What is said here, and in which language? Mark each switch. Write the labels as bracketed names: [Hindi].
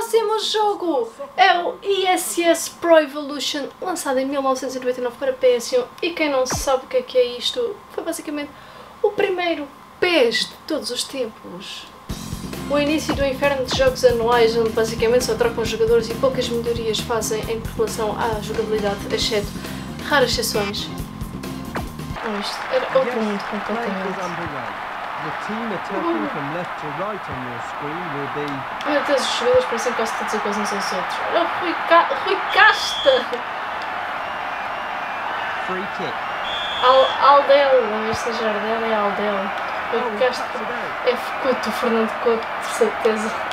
[Portuguese] O jogo é o ISS Pro Evolution, lançado em 1999 para PS1, e quem não sabe o que é isto, foi basicamente o primeiro PES de todos os tempos. O início do inferno de jogos anuais, onde basicamente só trocam jogadores e poucas melhorias fazem em relação à jogabilidade, exceto raras exceções. Bom, isto era outro mundo completamente. [English] The team attacking from left to right on your screen will be... [Portuguese] Oh, meu Deus, os jogadores parecem quase todos iguais uns aos outros. Olha o Rui Casta! [English] Free kick. [Portuguese] Aldel, não é este Jardel, é Aldel. Rui Casta é Couto, Fernando Couto, de certeza.